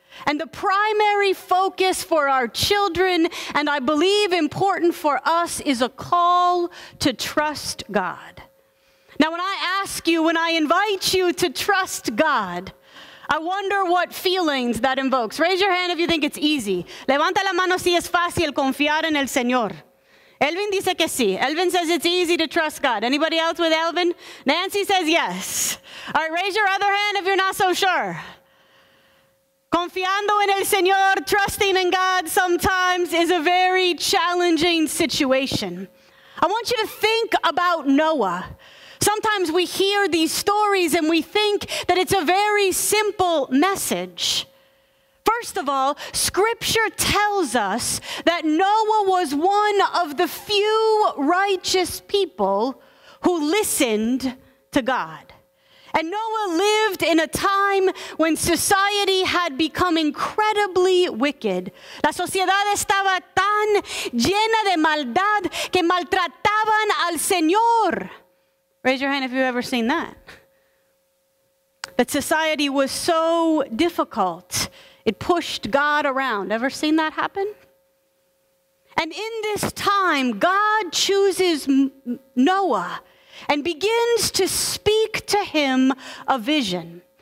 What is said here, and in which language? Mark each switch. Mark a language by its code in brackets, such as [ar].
[en] And the primary focus for our children, and I believe important for us, is a call to trust God. Now, when I ask you, when I invite you to trust God, I wonder what feelings that invokes. Raise your hand if you think it's easy. [es] Levanta la mano si es fácil confiar en el Señor. Elvin dice que sí. [en] Elvin says it's easy to trust God. Anybody else with Elvin? Nancy says yes. All right, raise your other hand if you're not so sure. [es] Confiando en el Señor, [en] trusting in God sometimes is a very challenging situation. I want you to think about Noah. Sometimes we hear these stories and we think that it's a very simple message. First of all, Scripture tells us that Noah was one of the few righteous people who listened to God. And Noah lived in a time when society had become incredibly wicked. [es] La sociedad estaba tan llena de maldad que maltrataban al Señor. [en] Raise your hand if you've ever seen that. That society was so difficult, it pushed God around. Ever seen that happen? And in this time, God chooses Noah and begins to speak to him a vision.